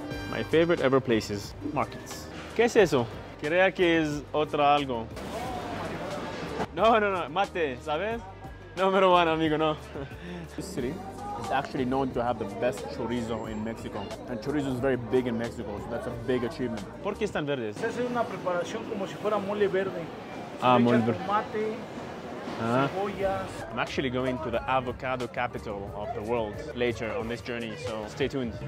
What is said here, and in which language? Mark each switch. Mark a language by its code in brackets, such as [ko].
[en] My favorite ever places. Markets. [es] ¿Qué es eso? Creo que es otra algo. No, no, no. Mate, ¿sabes? Número uno, amigo, no. [en] This city is actually known to have the best chorizo in Mexico. And chorizo is very big in Mexico, so that's a big achievement. [es] ¿Por qué están verdes? Es una preparación como si fuera mole verde. Ah, mole verde. Tomate, cebollas. [en] I'm actually going to the avocado capital of the world later on this journey, so stay tuned.